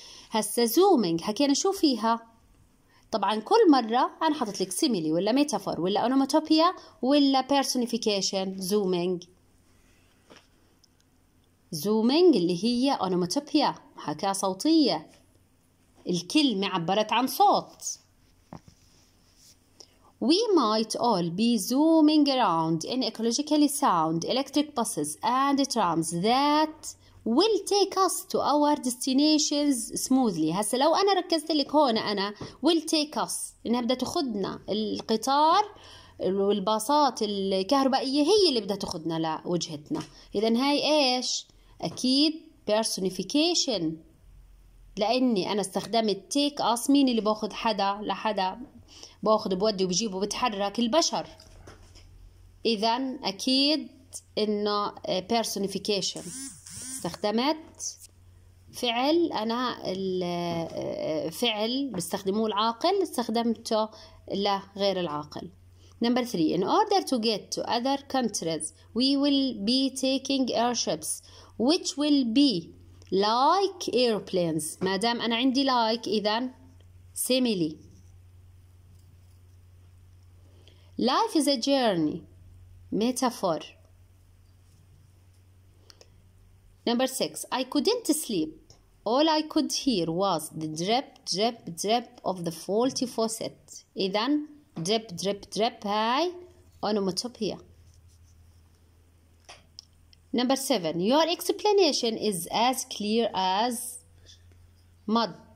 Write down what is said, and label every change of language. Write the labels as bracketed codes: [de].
[ar] هسا zooming حكينا شو فيها؟ طبعا كل مرة أنا حطت لك سيميلي ولا ميتافور ولا أونوماتوبيا ولا بيرسونيفيكيشن. زومينج، زومينج اللي هي أونوماتوبيا، حكاة صوتية، الكلمة عبرت عن صوت. [en] We might all be zooming around in ecologically sound electric buses and trams that will take us to our destinations smoothly. [ar] هسا لو أنا ركزت لك هون أنا [en] will take us، [ar] إنها بدها تخدنا، القطار والباصات الكهربائية هي اللي بدها تخدنا لوجهتنا. إذا هاي إيش؟ أكيد personification، لأني أنا استخدمت [en] take us. [ar] مين اللي بأخذ حدا لحدا؟ بأخذ بودي وبجيبه وبتحرك، البشر. إذا أكيد إنه personification، استخدمت فعل، أنا الفعل بستخدموه العاقل استخدمته لغير العاقل. [en] Number three, in order to get to other countries we will be taking airships which will be like airplanes. [ar] ما دام أنا عندي like إذن سيميلي. [en] Life is a journey، metaphor. Number six, I couldn't sleep. All I could hear was the drip, drip, drip of the faulty faucet. [ar] إذن drip, drip, drip هاي onomatopoeia. [en] Number seven, your explanation is as clear as mud.